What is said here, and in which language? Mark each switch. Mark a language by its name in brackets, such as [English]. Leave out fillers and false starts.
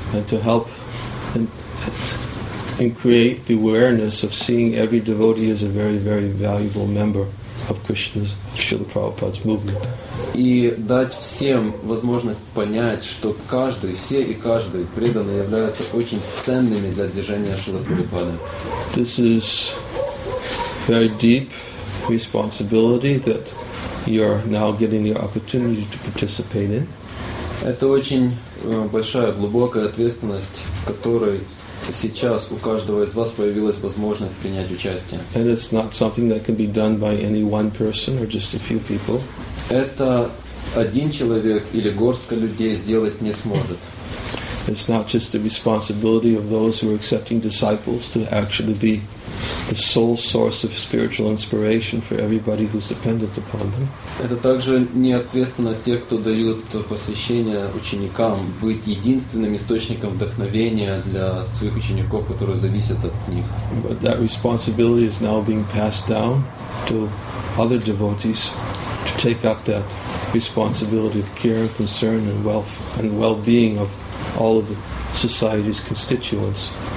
[English] And to help and create the awareness of seeing every devotee as a very, very valuable member of Krishna's, of Srila Prabhupada's movement. [Russian] И дать всем возможность понять, что каждый, все и каждый преданный являются очень ценными для движения Шрилы Прабхупады. [English] This is very deep responsibility that you're now getting the opportunity to participate in. [Russian] Это очень большая, глубокая ответственность, в которой сейчас у каждого из вас появилась возможность принять участие. [English] And it's not something that can be done by any one person or just a few people. [Russian] Это один человек или горстка людей сделать не сможет. [English] It's not just the responsibility of those who are accepting disciples to actually be the sole source of spiritual inspiration for everybody who's dependent upon them. [Russian] Это также не ответственность тех, кто дают посвящение ученикам, быть единственным источником вдохновения для своих учеников, которые зависят от них. [English] But that responsibility is now being passed down to other devotees to take up that responsibility of care and concern and wealth and well-being of all of the society's constituents.